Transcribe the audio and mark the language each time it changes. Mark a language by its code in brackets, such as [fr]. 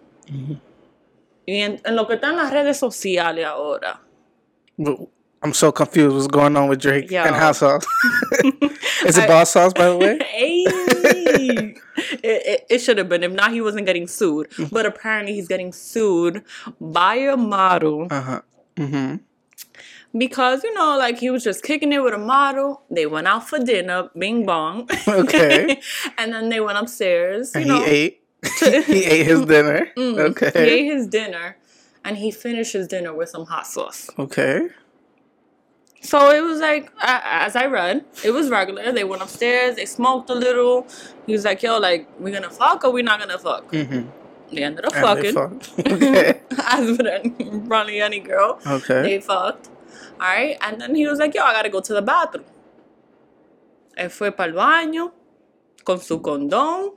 [es] Mm-hmm. Y en lo que están las redes sociales ahora. [en] I'm so confused what's going on with Drake and hot sauce. Is it boss sauce, by the way? Hey! It should have been. If not, he wasn't getting sued. But apparently, he's getting sued by a model. Because, you know, like, he was just kicking it with a model. They went out for dinner. Bing bong. Okay. And then they went upstairs. And he ate his dinner. Okay. He ate his dinner. And he finished his dinner with some hot sauce. Okay. So it was like, as I read, it was regular. They went upstairs. They smoked a little. He was like, yo, like, we're going to fuck or we're not going to fuck? They ended up fucking. They fucked. As with probably any girl. Okay. They fucked. All right. And then he was like, yo, I got to go to the bathroom. [es] Él fue para el baño con su condón.